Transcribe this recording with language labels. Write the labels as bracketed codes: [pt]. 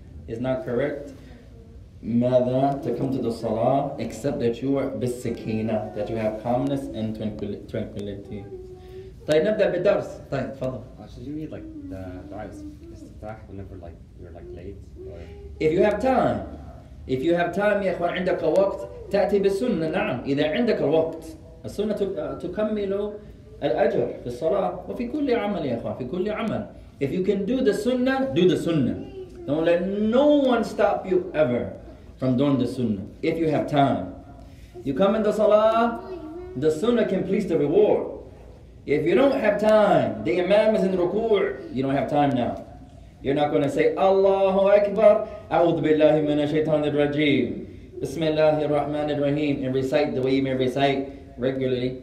[en] It's not correct, mother, to come to the salah, except that you are bisakina, that you have calmness and tranquility. [ar] طيب نبدأ بالدرس. طيب تفضل. [en] Should you need like the drives istiftah whenever like you're like late or? If you have time. If you have time, ya ikhwan, [ar] عندك وقت تأتي بالسنة. نعم. إذا عندك الوقت. السنة تكمل الأجر في الصلاة وفي كل عمل يا إخوان. في كل عمل. [en] If you can do the sunnah, do the sunnah. Don't let no one stop you ever from doing the sunnah. If you have time. You come in the salah, the sunnah completes the reward. If you don't have time, the imam is in ruku', you don't have time now. You're not going to say, Allahu Akbar, A'udhu Billahi Minash Shaitanir Rajeem, Bismillahir Rahmanir Rahim, and recite the way you may recite regularly.